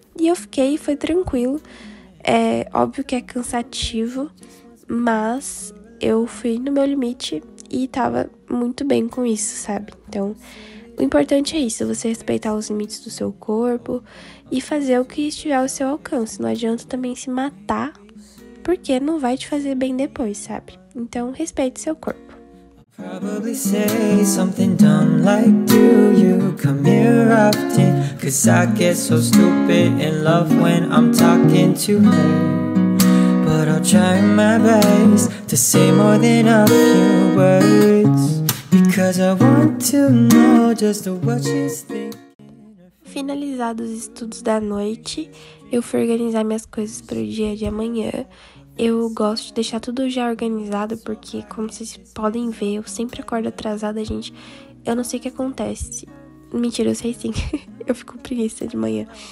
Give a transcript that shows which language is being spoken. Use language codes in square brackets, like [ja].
[pt] E eu fiquei, foi tranquilo. É óbvio que é cansativo, mas eu fui no meu limite e tava muito bem com isso, sabe? Então, o importante é isso, você respeitar os limites do seu corpo e fazer o que estiver ao seu alcance. Não adianta também se matar, porque não vai te fazer bem depois, sabe? Então, respeite seu corpo. [en] Probably say something dumb like, do you come here often? Cause I get so stupid in love when I'm talking to her. But I'll try my best to say more than a few words. Because I want to know just what she's thinking. [pt] Finalizados os estudos da noite, eu fui organizar minhas coisas pro dia de amanhã. Eu gosto de deixar tudo já organizado, porque como vocês podem ver, eu sempre acordo atrasada, gente. Eu não sei o que acontece. Mentira, eu sei sim. Eu fico preguiça de manhã.